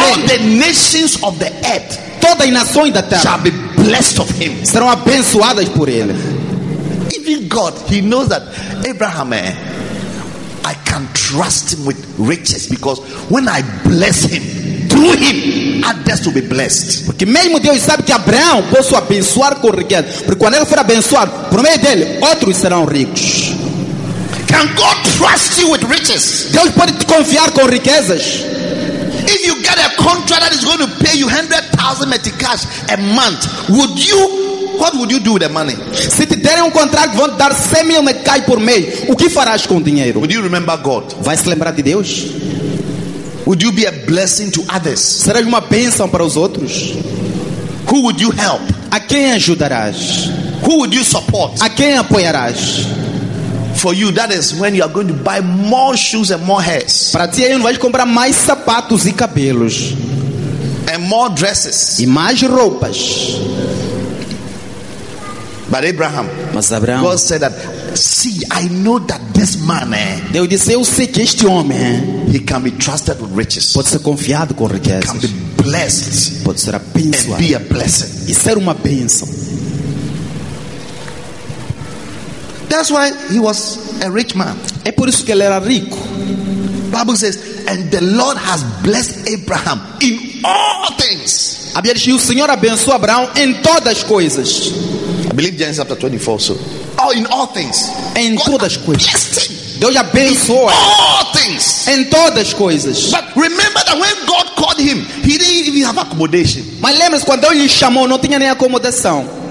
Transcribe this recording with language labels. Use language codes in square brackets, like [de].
[en] all the nations of the earth, [pt] todas as nações da terra, [en] shall be blessed of him, [pt] serão abençoadas por ele. [en] Even God, he knows that Abraham, I can trust him with riches, because when I bless him, through him, others will be blessed. [pt] Porque mesmo Deus sabe que Abraão posso abençoar com riqueza. Porque quando ele for abençoado, por meio dele, outros serão ricos. [en] Can God trust you with riches? [pt] Deus pode te confiar com riquezas. [en] If you get a contract that is going to pay you 100,000 metric cash a month, would you? What would you do with the money? [pt] Se te derem contrato, vão te dar 100 mil metric cash por mês. O que farás com o dinheiro? [en] Would you remember God? [pt] Vai se lembrar de Deus? [en] Would you be a blessing to others? [pt] Serás uma bênção para os outros? [en] Who would you help? [pt] A quem ajudarás? [en] Who would you support? [pt] A quem apoiarás? [en] For you, that is when you are going to buy more shoes and more hairs. [pt] Para ti, aí, vais comprar mais sapatos e cabelos. [en] And more dresses. [pt] E mais roupas. [en] But Abraham, [pt] mas Abraão, [en] God said that, see, I know that this man, [pt] Deus disse, eu sei que este homem, [en] he can be trusted with riches. [pt] Pode ser confiado com riquezas. [en] He can be blessed. [pt] Pode ser abençoado. [en] And be a blessing. [pt] E ser uma bênção. [en] That's why he was a rich man. [pt] É por isso que ele era rico. [en] Bible says, and the Lord has blessed Abraham in all things. [pt] A Bíblia diz, o Senhor abençoou Abraão em todas as coisas. [en] I believe Genesis chapter 24. So, oh, in all things. [pt] Em [en] God [pt] todas as coisas. Deus abençoou. [en] In all things. [pt] Em todas as coisas. [en] But remember that when God called him, he didn't even have accommodation. [pt] Mas lembre-se, quando Deus lhe chamou, não tinha nem acomodação.